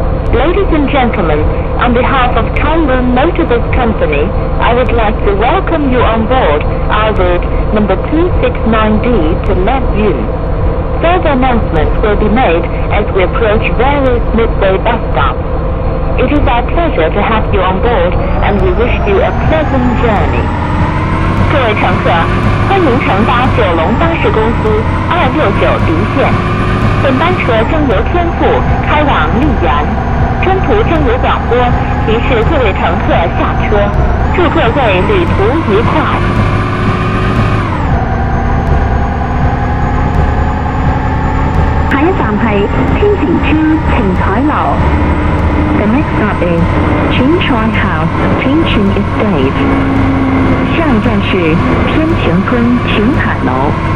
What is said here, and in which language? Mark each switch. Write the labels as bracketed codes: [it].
[en] Ladies and gentlemen, on behalf of Kowloon Motor Bus Company, I would like to welcome you on board our route number 269D to Lap Yun. Further announcements will be made as we approach various midway bus stops. It is our pleasure to have you on board and we wish you a pleasant journey. [zh] 各位乘客，欢迎乘搭九龙巴士公司269D 线。本班车将由天富开往沥源，中途将有广播提示各位乘客下车，祝各位旅途愉快。下一站是天池村晴彩楼。 [en] The next stop is Qing Chuan House, Qing Chuan Estate. [zh] 下一站是天晴村晴彩楼。